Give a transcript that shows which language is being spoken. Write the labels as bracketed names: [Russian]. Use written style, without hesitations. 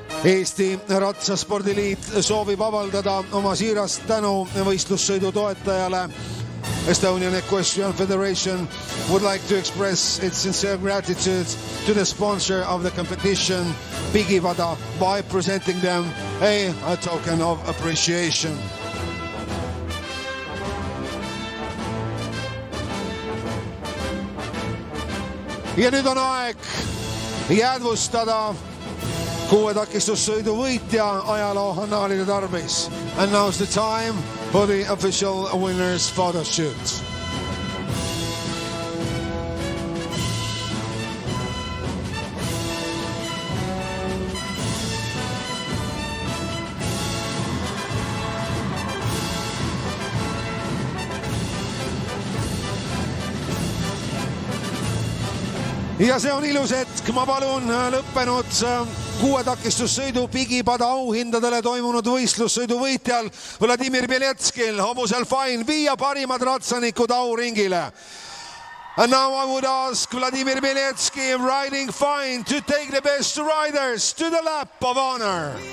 [Estonian] Eesti Ratsaspordiliit soovib avaldada oma siirast tänu võistlussõidu toetajale. [English] Estonian Equestrian Federation would like to express its sincere gratitude to the sponsor of the competition, Pigivada, by presenting them a token of appreciation. [Estonian] Ja nüüd on aeg jäädvustada kuue takistussõidu võitja ajaloo annaalide tarvis. [English] And now is the time for the official winner's photo shoot. [Estonian] Ja see on ilus hetk. Ma palun lõppenud kuue takistussõidu Pigipada auhindadele toimunud võistlussõidu võitjal Vladimir Beletskil, hobusel Fine, viia parimad ratsanikud auringile. [English] And now I would ask Vladimir Beletski, riding Fine, to take the best riders to the lap of honor.